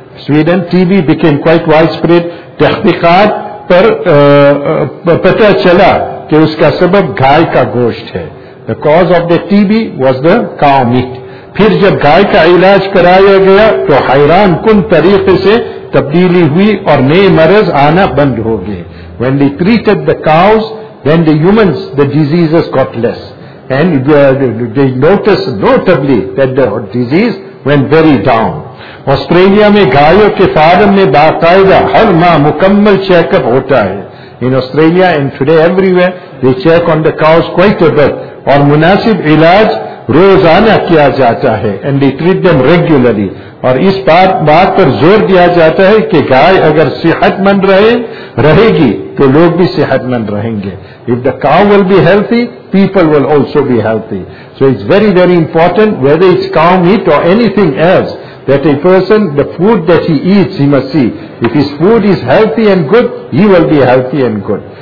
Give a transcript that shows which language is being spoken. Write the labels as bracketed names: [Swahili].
[Urdu] Sweden T B became quite wide spread. تحقیقات پر پتہ چلا کہ اس کا سبب گائے کا گوشت ہے. [English] The cause of the T B was the cow meat. [Urdu] پھر جب گائے کا علاج کرایا گیا تو حیران کن طریقے سے تبدیلی ہوئی اور نئے مرض آنا بند ہو گئے. [English] When they treated the cows then the humans the disease got less and they notice notably that the disease went very down. [Urdu] Australia میں گایوں کے فارم میں باقاعدہ ہر ماہ مکمل چیک اپ ہوتا ہے. [English] In Australia and today everywhere they check on the cows quite a bit اور مناسب علاج روزانہ کیا جاتا ہے. And they treat them regularly. [Urdu] اور اس بات پر زور دیا جاتا ہے کہ گائے اگر صحت مند رہے گی تو لوگ بھی صحت مند رہیں گے. [English] If the cow will be healthy people will also be healthy. So it's very very important whether it's cow meat or anything else that a person the food that he eats he must see if his food is healthy and good he will be healthy and good.